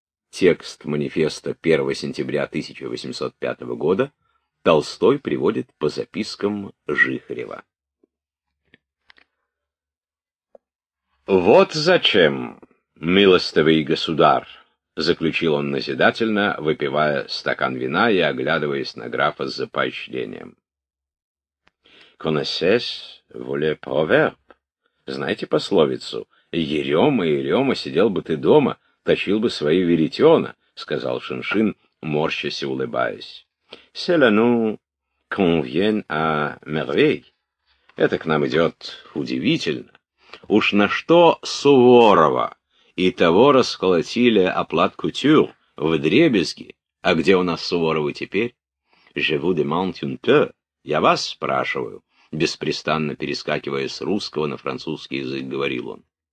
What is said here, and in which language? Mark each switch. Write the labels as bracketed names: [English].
[Russian] Текст манифеста 1 сентября 1805 года Толстой приводит по запискам Жихарева. «Вот зачем, милостивый государь», — заключил он назидательно, выпивая стакан вина и оглядываясь на графа за поощрением. [French] «Connaissez-vous le proverbe?» [Russian] — «Знаете пословицу? Ерема, сидел бы ты дома, точил бы свои веретена», — сказал Шиншин, морщась и улыбаясь. [French] «Cela nous convient à merveille. [Russian] Это к нам идет удивительно. Уж на что Суворова и того расколотили оплат-кутюр в дребезги? А где у нас Суворовы теперь? [French] Je vous demande un peu. [Russian] Я вас спрашиваю», — беспрестанно перескакивая с русского на французский язык, говорил он.